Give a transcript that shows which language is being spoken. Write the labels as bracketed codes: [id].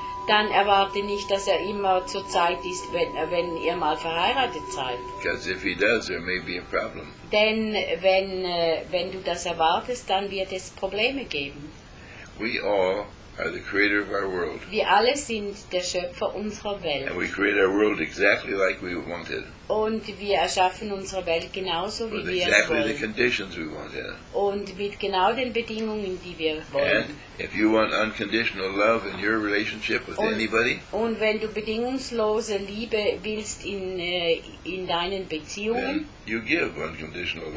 [de] Dann erwarte nicht, dass immer zur Zeit ist, wenn ihr mal verheiratet seid. [en] Because if he does, there may be a problem. [de] Denn wenn du das erwartest, dann wird es Probleme geben. [en] We all are the creator of our world. [de] Wir alle sind der Schöpfer unserer Welt. [en] And we create our world exactly like we wanted. [de] Und wir erschaffen unsere Welt genauso, wie [en] exactly [de] wir es wollen. [en] The conditions we want, yeah. [de] Und mit genau den Bedingungen, die wir wollen. Und wenn du bedingungslose Liebe willst in deinen Beziehungen, [en] you give unconditional love.